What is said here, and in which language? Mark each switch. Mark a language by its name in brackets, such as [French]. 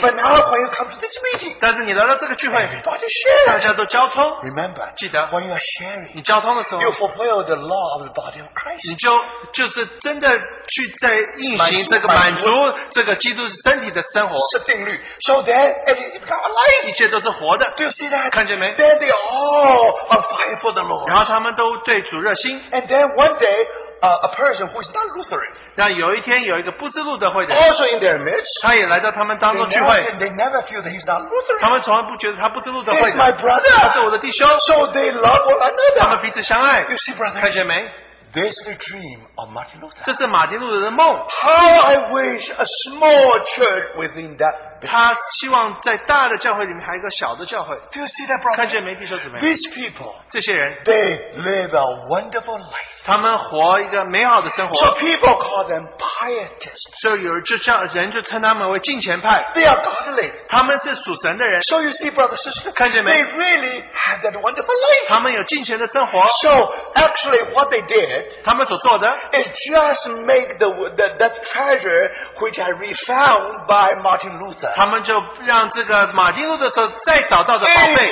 [English] but now when you come to this meeting, [Chinese] 但是你来到这个聚会, [English] everybody share, [Chinese] 大家都交通, [English] remember, [Chinese] 记得, [English] when you are sharing, [Chinese] 你交通的时候, [English] you fulfill the law of the body of Christ. [Chinese] 你就是真的去在运行这个满足, 这个基督身体的生活, 是定律, [English] so then everything becomes alive. [Chinese] 一切都是活的, [English] do you see that? [Chinese] 看见没? [English] Then they all are fire for the Lord. [Chinese] 然后他们都对主热心, [English] and then one day, a person who is not Lutheran. [Chinese] 那有一天有一个不是路德会的人, [English] also in their midst, [Chinese] 他也来到他们当中聚会, [English] they never feel that he's not Lutheran. [Chinese] 他们从来不觉得他不是路德会的, [English] he's my brother, [Chinese] 他是我的弟兄, [English] so they love one another. [Chinese] 他们彼此相爱, [English] you see, brothers, [Chinese] 看见没? [English] This is the dream of Martin Luther. [Chinese] 这是马丁路德的梦. [English] How I wish a small church within that building. Do you see that, brother? [Chinese] 看见没弟兄姊妹? [English] These people, [Chinese] 这些人, [English] they live a wonderful life. [Chinese] 他们活一个美好的生活. [English] So people call them pietists. [Chinese] 所以有人就称他们为敬虔派. [English] They are godly. [Chinese] 他们是属神的人. [English] So you see, brother, sister, [Chinese] 看见没? [English] They really have that wonderful life. [Chinese] 他们有敬虔的生活. [English] So actually what they did, it just make the treasure which I refound by Martin Luther. [Chinese] 他们就让这个马丁路德所再找到的宝贝